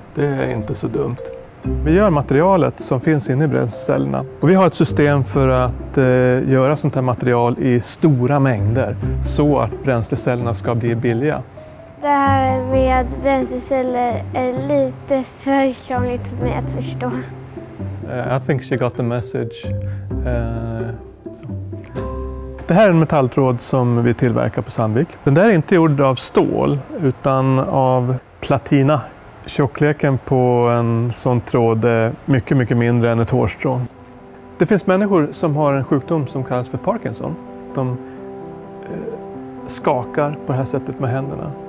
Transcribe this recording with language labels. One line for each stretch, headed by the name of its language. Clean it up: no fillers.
Swedish: Det är inte så dumt. Vi gör materialet som finns inne i bränslecellerna. Och vi har ett system för att göra sånt här material i stora mängder. Så att bränslecellerna ska bli billiga. Det här med bränsleceller är lite för krångligt för mig att förstå.
English: I think she got the message.
Swedish: Det här är en metalltråd som vi tillverkar på Sandvik. Den där är inte gjord av stål, utan av platina. Tjockleken på en sån tråd är mycket, mycket mindre än ett hårstrå. Det finns människor som har en sjukdom som kallas för Parkinson. De skakar på det här sättet med händerna.